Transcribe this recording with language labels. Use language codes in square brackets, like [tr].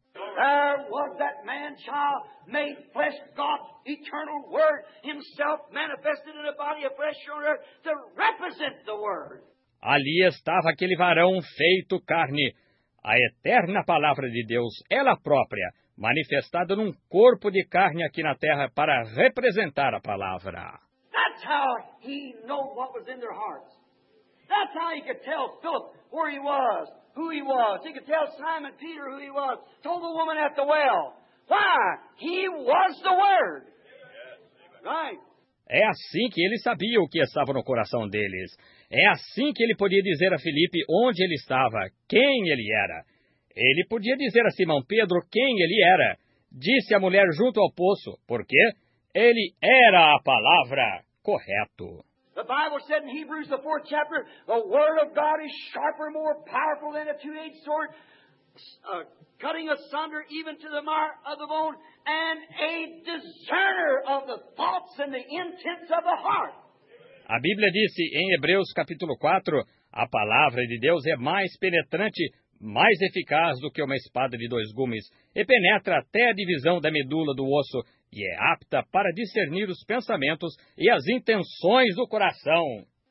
[en] There was that man-child made flesh, God's eternal word, himself manifested in a body of flesh on earth to represent the word. [pt] Ali estava aquele varão feito carne, a eterna palavra de Deus, ela própria, manifestada num corpo de carne aqui na terra para representar a palavra. [en] That's how he knew what was in their hearts. That's how he could tell Philip where he was. Who he was. He could tell Simon Peter who he was. Told the woman at the well. Why? He was the word. Right? [pt] É assim que ele sabia o que estava no coração deles. É assim que ele podia dizer a Filipe onde ele estava, quem ele era. Ele podia dizer a Simão Pedro quem ele era. Disse a mulher junto ao poço, porque ele era a palavra correto. [en] The Bible said in Hebrews, the 4th chapter, the word of God is sharper, more powerful than a two-edged sword, works. Cutting asunder even to the marrow of the bone, and a discerner of the thoughts and the intents of the heart. [pt] A Bíblia disse em Hebreus capítulo 4, a palavra de Deus é mais penetrante, mais eficaz do que uma espada de dois gumes, e penetra até a divisão da medula do osso, e é apta para discernir os pensamentos e as intenções do coração.